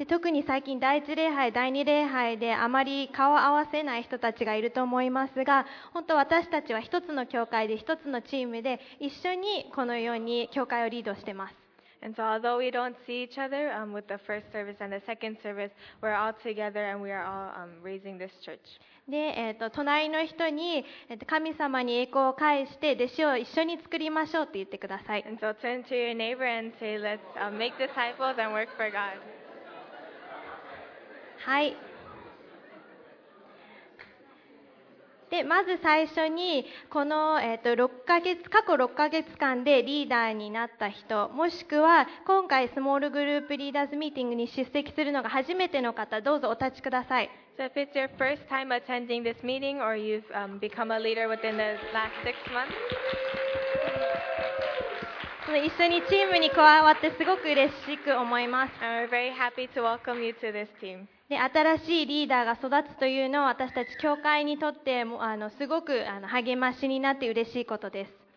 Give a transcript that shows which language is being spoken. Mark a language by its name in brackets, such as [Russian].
[Japanese] に最近第一礼拝第二礼拝であまり顔を合わせない人たちがいると思いますが、本当私たちは一つの教会で一つのチームで一緒にこのように教会をリードしています。 [English] And so although we don't see each other with the first service and the second service, we're all together and we are all raising this church. [Japanese] で、隣の人に、神様に栄光を返して弟子を一緒に作りましょうって言ってください。 [English] And so turn to your neighbor and say, let's make disciples and work for God. [Japanese] はい。でまず最初にこの、過去6ヶ月間でリーダーになった人、もしくは今回スモールグループリーダーズミーティングに出席するのが初めての方、どうぞお立ちください。 [English] So if it's your first time attending this meeting or you've become a leader within the last six months, [Japanese] 一緒にチームに加わってすごく嬉しく思います。 [English] And we're very happy to welcome you to this team. [Japanese] で新しいリーダーが育つというのは私たち教会にとってもすごく励ましになって嬉しいことです。